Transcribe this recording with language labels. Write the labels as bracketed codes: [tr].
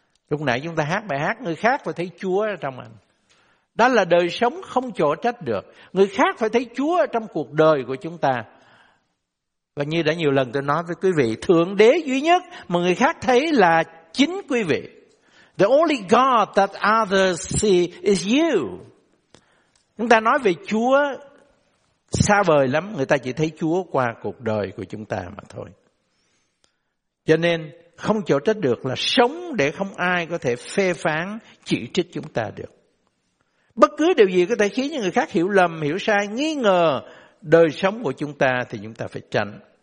[vi] Lúc nãy chúng ta hát bài hát, người khác phải thấy Chúa ở trong anh. Đó là đời sống không chỗ trách được. Người khác phải thấy Chúa ở trong cuộc đời của chúng ta. Và như đã nhiều lần tôi nói với quý vị, Thượng Đế duy nhất mà người khác thấy là chính quý vị. [en] The only God that others see is you. [vi] Chúng ta nói về Chúa xa vời lắm, người ta chỉ thấy Chúa qua cuộc đời của chúng ta mà thôi. Cho nên không chỗ trách được là sống để không ai có thể phê phán, chỉ trích chúng ta được. Bất cứ điều gì có thể khiến những người khác hiểu lầm, hiểu sai, nghi ngờ đời sống của chúng ta thì chúng ta phải tránh.